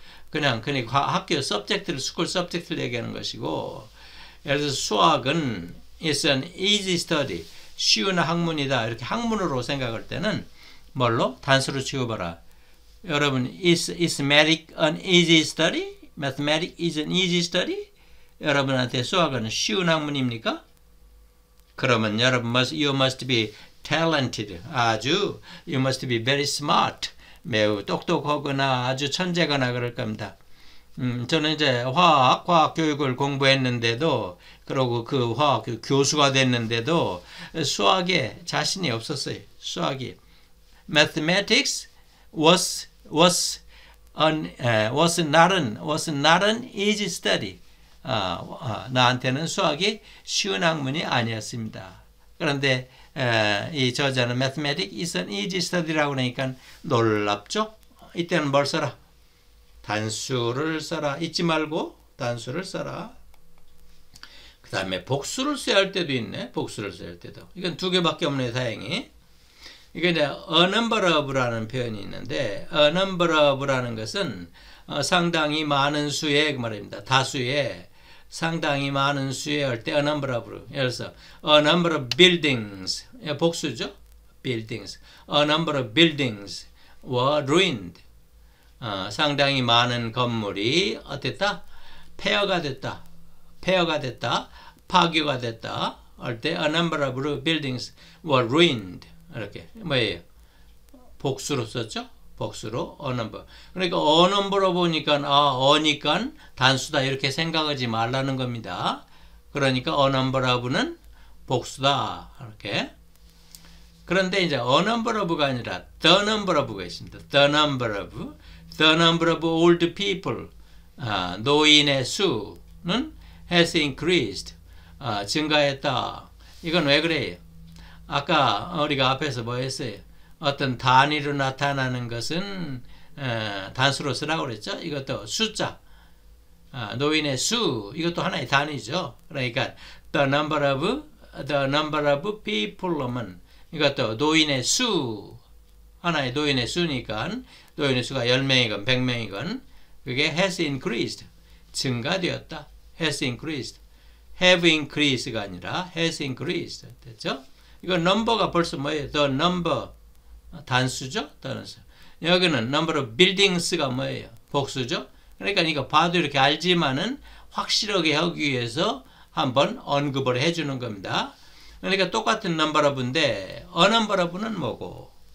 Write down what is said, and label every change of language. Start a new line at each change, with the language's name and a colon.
Korean: 그냥 학교 서브젝트를 스쿨 서브젝트를 얘기하는 것이고 예를 들어서 수학은
English: it's an easy study
Korean: 쉬운 학문이다 이렇게 학문으로 생각할 때는 뭘로 단수로 치워봐라 여러분
English: is mathematics an easy study? mathematics is an easy study?
Korean: 여러분한테 수학은 쉬운 학문입니까? 그러면 여러분
English: you must be talented
Korean: 아주
English: you must be very smart
Korean: 매우 똑똑하거나 아주 천재거나 그럴 겁니다. 저는 이제 화학 교육을 공부했는데도, 그리고 그 화학 교수가 됐는데도 수학에 자신이 없었어요. 수학이.
English: Mathematics was not an easy study.
Korean: 나한테는 수학이 쉬운 학문이 아니었습니다. 그런데 이 저자는
English: Mathematics is an easy study
Korean: 라고 하니까 놀랍죠? 이때는 뭘 써라? 단수를 써라. 잊지 말고 단수를 써라. 그 다음에 복수를 써야 할 때도 있네. 복수를 써야 할 때도. 이건 두 개밖에 없네, 다행히. 이게 이제 a number of라는 표현이 있는데, a number of라는 것은 상당히 많은 수의 그 말입니다. 다수의 상당히 많은 수의 할때
English: a number of.
Korean: 예를 들어서
English: a number of buildings.
Korean: 복수죠? buildings.
English: a number of buildings were ruined.
Korean: 상당히 많은 건물이 어땠다? 폐허가 됐다. 폐허가 됐다. 파괴가 됐다. 할 때,
English: a number of buildings were ruined.
Korean: 이렇게. 뭐예요? 복수로 썼죠? 복수로. a number. 그러니까, a number 보니까, 어니까 단수다. 이렇게 생각하지 말라는 겁니다. 그러니까, a number of는 복수다. 이렇게. 그런데, 이제, a number of가 아니라, the number of가 있습니다.
English: the number of. The number of old people,
Korean: 노인의 수는
English: has increased,
Korean: 증가했다. 이건 왜 그래요? 아까 우리가 앞에서 뭐 했어요? 어떤 단위로 나타나는 것은 단수로 쓰라고 그랬죠? 이것도 숫자, 노인의 수, 이것도 하나의 단위죠. 그러니까
English: the number of people
Korean: 은 이것도 노인의 수, 하나의 노인의 수니까 노인의 수가 10명이건 100명이건 그게
English: has increased
Korean: 증가되었다.
English: has increased. have increased
Korean: 가 아니라
English: has increased.
Korean: 됐죠? 이거 number가 벌써 뭐예요? the number. 단수죠? 단수. 여기는
English: number of buildings
Korean: 가 뭐예요? 복수죠? 그러니까 이거 봐도 이렇게 알지만은 확실하게 하기 위해서 한번 언급을 해주는 겁니다. 그러니까 똑같은 number of인데,
English: a number of
Korean: 는 뭐고?